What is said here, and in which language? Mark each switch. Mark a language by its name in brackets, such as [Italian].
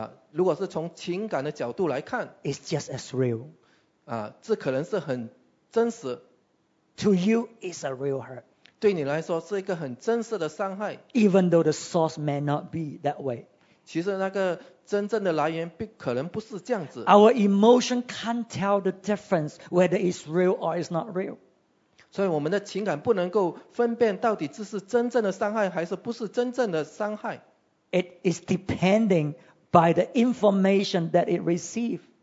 [Chinese] 如果是从情感的角度来看, [English] it's just as real. [Chinese] 这可能是很真实。 [English] To you, it's a real hurt. [Chinese] 对你来说是一个很真实的伤害。 [English] Even though the source may not be that way. [Chinese] 其实那个真正的来源可能不是这样子。 [English] Our emotion can't tell the difference whether it's real or it's not real. [Chinese] 所以我们的情感不能够分辨到底这是真正的伤害还是不是真正的伤害。 [English] It is depending by the information that it receives.